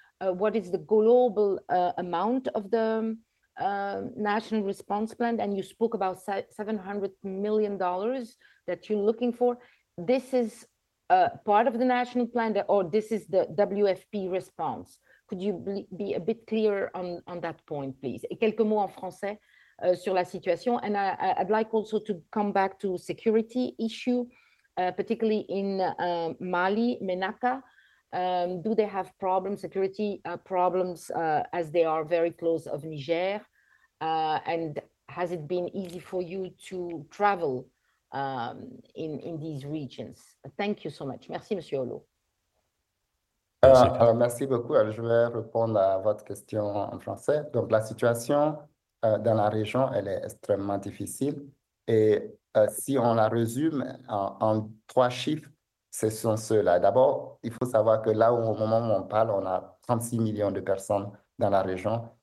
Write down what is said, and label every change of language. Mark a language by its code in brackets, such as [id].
[en] What is the global amount of the national response plan? And you spoke about $700 million that you're looking for. This is part of the national plan, or this is the WFP response? Could you be a bit clearer on that point, please? [fr] Et quelques mots en français sur la situation. [en] And I'd like also to come back to security issue, particularly in Mali, MENACA. Do they have problems, security problems, as they are very close of Niger? And has it been easy for you to travel in these regions? Thank you so much. [fr] Merci, Monsieur Olo. Merci beaucoup. Alors, je vais répondre à votre question en français. Donc, la situation dans la région, elle est extrêmement difficile. Et si on la résume en trois chiffres, ce sont ceux-là. D'abord, il faut savoir que là où, au moment où on parle, on a 36 millions de personnes dans la région.